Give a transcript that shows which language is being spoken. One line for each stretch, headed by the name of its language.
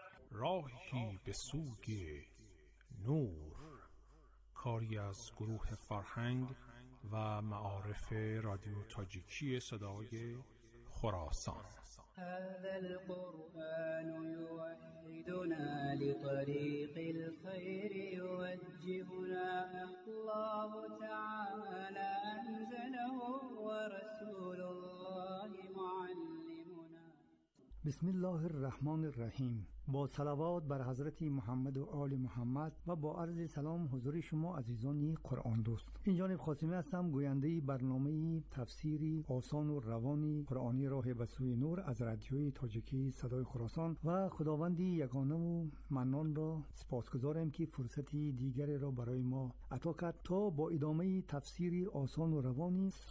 Persian: راهی به سوی نور، کاری از گروه فرهنگ و معارف رادیو تاجیکی صدای خراسان.
Arabic: هذا القرآن يوحدنا لطريق الخير يوجهنا الله تعالى أنزله ورسول الله معلمنا. بسم الله الرحمن الرحيم.
Persian: با صلوات بر حضرت محمد و آل محمد و با عرض سلام حضور شما عزیزان قرآن دوست، این جانب خاصمی هستم، گوینده برنامه تفسیری آسان و روانی قرآنی راه به سوی نور از رادیوی تاجیکی صدای خراسان، و خداوند یگانه و منان را سپاسگزارم که فرصتی دیگر را برای ما عطا کرد تا با ادامه تفسیری آسان و روانی